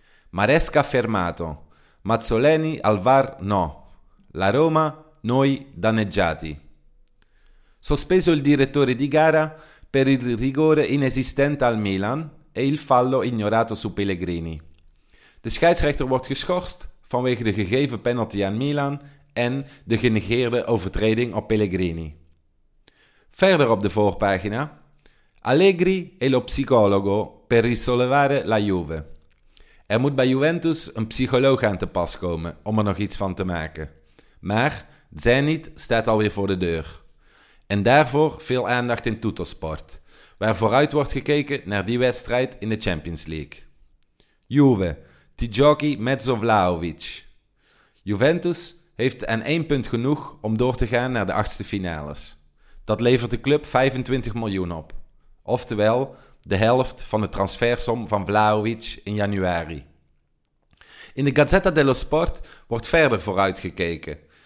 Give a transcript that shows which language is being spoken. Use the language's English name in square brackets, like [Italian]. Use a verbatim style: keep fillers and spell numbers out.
[Italian] Maresca fermato, Mazzoleni al V A R no, la Roma noi danneggiati. Sospeso il direttore di gara per il rigore inesistente al Milan e il fallo ignorato su Pellegrini. [Dutch] De scheidsrechter wordt geschorst vanwege de gegeven penalty aan Milan en de genegeerde overtreding op Pellegrini. Verder op de voorpagina: [Italian] Allegri e lo psicologo per risollevare la Juve. [Dutch] Er moet bij Juventus een psycholoog aan te pas komen om er nog iets van te maken. Maar Zenit staat alweer voor de deur. En daarvoor veel aandacht in Tuttosport, waar vooruit wordt gekeken naar die wedstrijd in de Champions League. [Italian] Juve, ti giochi mezzo Vlahovic. [Dutch] Juventus heeft aan één punt genoeg om door te gaan naar de achtste finales. Dat levert de club vijfentwintig miljoen op. Oftewel, de helft van de transfersom van Vlahovic in januari. In de Gazzetta dello Sport wordt verder vooruitgekeken.